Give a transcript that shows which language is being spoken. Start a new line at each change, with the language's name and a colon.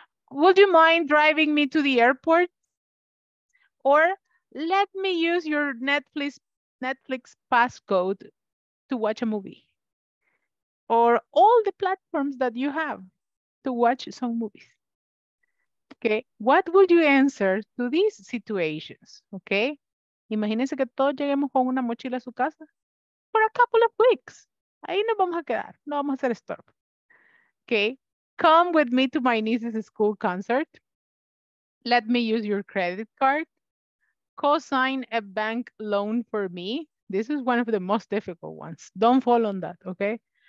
English: Would you mind driving me to the airport? Or let me use your Netflix passcode to watch a movie. Or all the platforms that you have to watch some movies. Okay, what would you answer to these situations?
Spanish: Okay, imagínense que todos lleguemos con una mochila a su casa.
English: For a couple of weeks.
Spanish: Ahí nos vamos a quedar. No vamos a hacer stop.
English: Okay, come with me to my niece's school concert. Let me use your credit card. Co-sign a bank loan for me. This is one of the most difficult ones. Don't fall on that, okay?